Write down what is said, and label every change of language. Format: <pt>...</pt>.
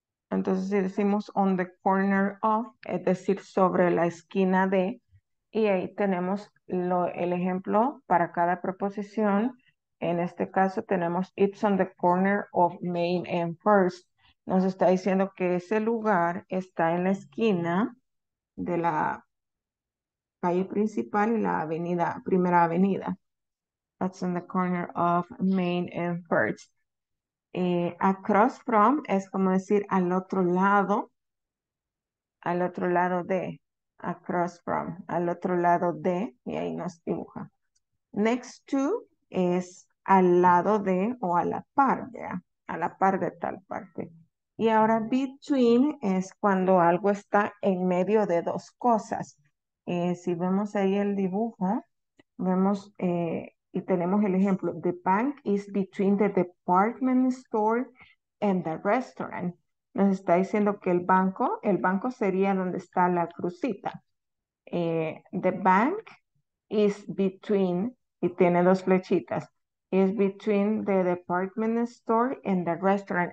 <es>Entonces, si decimos</es> <en>on the corner of,</en> <es>es decir, sobre la esquina de, y ahí tenemos el ejemplo para cada preposición. En este caso tenemos,</es> <en>it's on the corner of Main and First.</en> <es>Nos está diciendo que ese lugar está en la esquina de la calle principal y la avenida, primera avenida.</es> <en>That's on the corner of Main and First. Across from</en> <es>es como decir al otro lado de,</es> <en>across from,</en> <es>al otro lado de, y ahí nos dibuja.</es> <en>Next to</en> <es>es al lado de o a la par, ¿verdad? A la par de tal parte. Y ahora between es cuando algo está en medio de dos cosas. Si vemos ahí el dibujo, vemos y tenemos el ejemplo.</es> <en>The bank is between the department store and the restaurant.</en> <es>Nos está diciendo que el banco sería donde está la crucita.</es> <en>The bank is between,</en> <es>y tiene dos flechitas,</es> <en>is between the department store and the restaurant.</en>